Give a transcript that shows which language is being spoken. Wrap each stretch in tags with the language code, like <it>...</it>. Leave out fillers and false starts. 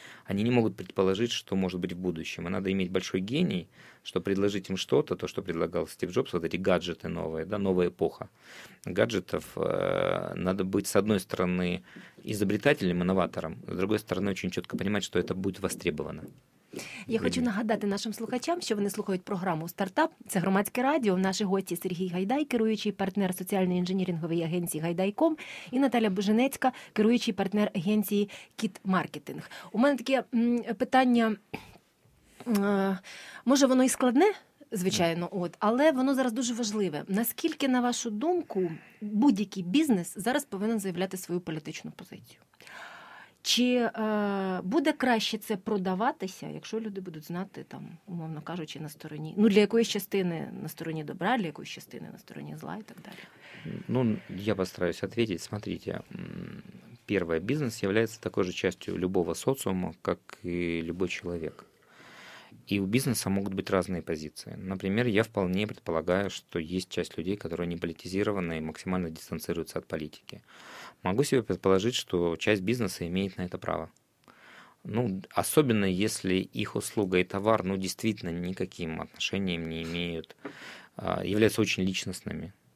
<ru>Они не могут предположить, что может быть в будущем. И надо иметь большой гений, чтобы предложить им что-то, то, что предлагал Стив Джобс, вот эти гаджеты новые, да, новая эпоха гаджетов. Надо быть, с одной стороны, изобретателем, инноватором, с другой стороны, очень четко понимать, что это будет востребовано.</ru> <uk>Я хочу нагадати нашим слухачам, що вони слухають програму «Стартап». Це громадське радіо. Наші гості Сергій Гайдай, керуючий партнер соціальної інженірингової агенції «Гайдай.ком», і Наталя Боженецька, керуючий партнер агенції «Кіт Маркетинг». У мене таке питання, може воно і складне, звичайно, але воно зараз дуже важливе. Наскільки, на вашу думку, будь-який бізнес зараз повинен заявляти свою політичну позицію? Чи буде краще це продаватися, якщо люди будуть знати, там, умовно кажучи, на стороні, ну, для якоїсь частини на стороні добра, для якоїсь частини на стороні зла і так далі? Ну, я постараюсь відповісти.</uk> <ru>Смотрите,</ru> <uk>перше, бізнес є такою ж частиною любого соціуму, як і будь-який людина.</uk> <ru>И у бизнеса могут быть разные позиции. Например, я вполне предполагаю, что есть часть людей, которые не политизированы и максимально дистанцируются от политики. Могу себе предположить, что часть бизнеса имеет на это право. Ну, особенно если их услуга и товар, ну, действительно никаким отношением не имеют, являются очень личностными.</ru>